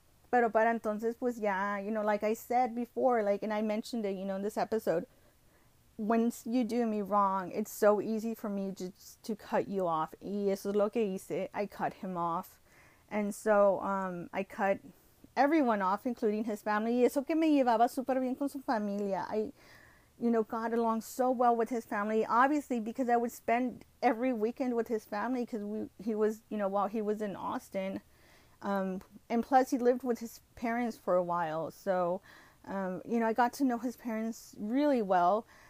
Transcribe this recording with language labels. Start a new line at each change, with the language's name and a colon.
Spanish: Pero para entonces, pues ya,
English: like I said before, like, and I mentioned it, in this episode, once you do me wrong, it's so easy for me to cut you off.
Spanish: Y eso es lo que hice.
English: I cut him off. And so I cut everyone off, including his family.
Spanish: Eso que me llevaba súper bien con su familia.
English: I, got along so well with his family. Obviously, because I would spend every weekend with his family because he was, while he was in Austin. And plus, he lived with his parents for a while. So, I got to know his parents really well.